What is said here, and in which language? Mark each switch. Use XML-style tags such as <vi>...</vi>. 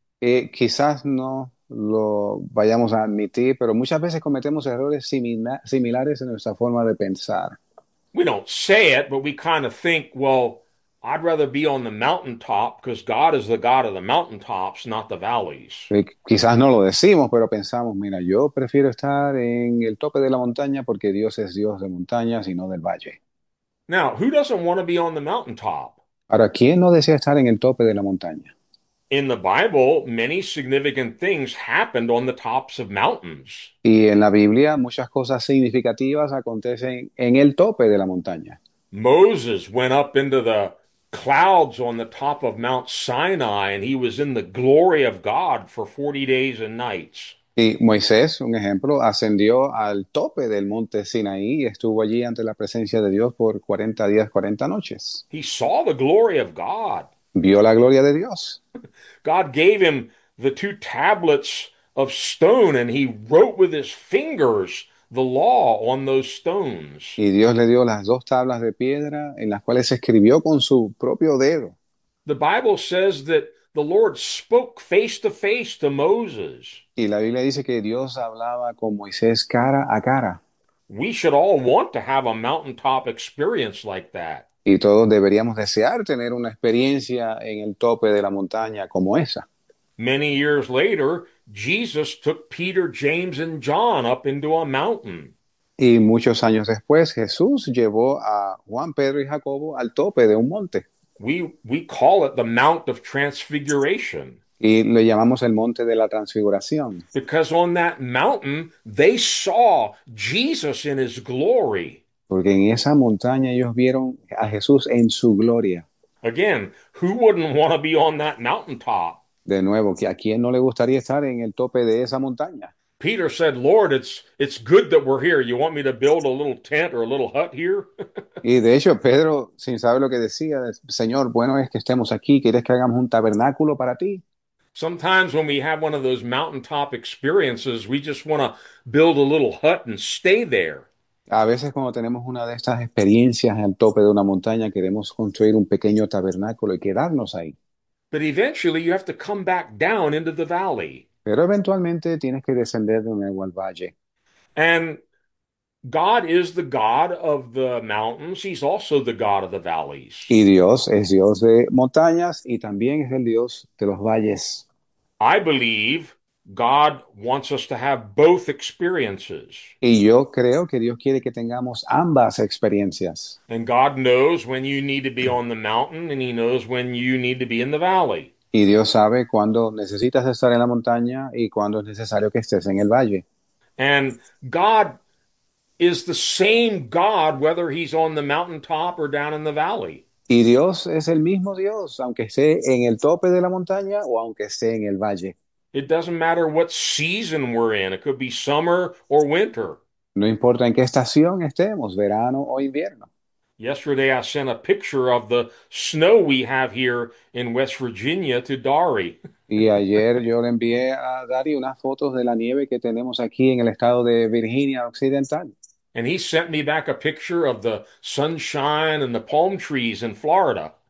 <es>Quizás no lo vayamos a admitir, pero muchas veces cometemos errores similares en nuestra forma de pensar.</es> <en>We don't say it, but we kind of think, well, I'd rather be on the mountaintop because God is the God of the mountaintops, not the valleys.</en> <es>Quizás no lo decimos, pero pensamos, mira, yo prefiero estar en el tope de la montaña porque Dios es Dios de montañas y no del valle.</es> <en>Now, who doesn't want to be on the mountaintop?</en> <es>Ahora, ¿quién no desea estar en el tope de la montaña?</es> <en>In the Bible, many significant things happened on the tops of mountains.</en> <es>Y en la Biblia muchas cosas significativas acontecen en el tope de la montaña.</es> <en>Moses went up into the clouds on the top of Mount Sinai, and he was in the glory of God for 40 days and nights.</en> <es>Y Moisés, un ejemplo, ascendió al tope del monte Sinaí y estuvo allí ante la presencia de Dios por 40 días, 40 noches.</es> <en>He saw the glory of God.</en> <es>Vio la gloria de Dios.</es> <en>God gave him the two tablets of stone, and he wrote with his fingers the law on those stones.</en> <es>Y Dios le dio las dos tablas de piedra en las cuales escribió con su propio dedo.</es> <en>The Bible says that the Lord spoke face to face to Moses.</en> <es>Y la Biblia dice que Dios hablaba con Moisés cara a cara.</es> <en>We should all want to have a mountaintop experience like that.</en> <es>Y todos deberíamos desear tener una experiencia en el tope de la montaña como esa.</es> <en>Many years later, Jesus took Peter, James, and John up into a mountain.</en> <es>Y muchos años después, Jesús llevó a Juan, Pedro y Jacobo al tope de un monte.</es> <en>We call it the Mount of Transfiguration.</en> <es>Y lo llamamos el Monte de la Transfiguración.</es> <en>Because on that mountain, they saw Jesus in his glory.</en> <es>Porque en esa montaña ellos vieron a Jesús en su gloria.</es> <en>Again, who wouldn't want to be on that mountaintop?</en> <es>De nuevo, ¿a quién no le gustaría estar en el tope de esa montaña?</es> <en>Peter said, Lord, it's good that we're here. You want me to build a little tent or a little hut here?</en> <es>Y de hecho, Pedro, sin saber lo que decía, Señor, bueno es que estemos aquí, ¿quieres que hagamos un tabernáculo para ti?</es> <en>Sometimes when we have one of those mountaintop experiences, we just want to build a little hut and stay there.</en> <es>A veces cuando tenemos una de estas experiencias al tope de una montaña, queremos construir un pequeño tabernáculo y quedarnos ahí.</es> <en>But eventually you have to come back down into the valley.</en> <es>Pero eventualmente tienes que descender de nuevo al valle.</es> <en>And God is the God of the mountains, He's also the God of the valleys.</en> <es>Y Dios es Dios de montañas y también es el Dios de los valles.</es> <en>I believe God wants us to have both experiences.</en> <es>Y yo creo que Dios quiere que tengamos ambas experiencias.</es> <en>And God knows when you need to be on the mountain, and He knows when you need to be in the valley.</en> <es>Y Dios sabe cuándo necesitas estar en la montaña y cuándo es necesario que estés en el valle.</es> <en>And God is the same God, whether he's on the mountaintop or down in the valley.</en> <es>Y Dios es el mismo Dios, aunque esté en el tope de la montaña o aunque esté en el valle.</es> <en>It doesn't matter what season we're in. It could be summer or winter.</en> <es>No importa en qué estación estemos, verano o invierno.</es> <en>Yesterday, I sent a picture of the snow we have here in West Virginia to Dari.</en> <es>Y ayer yo le envié a Dari unas fotos de la nieve que tenemos aquí en el estado de Virginia Occidental.</es> <en>And he sent me back a picture of the sunshine and the palm trees in Florida.</en>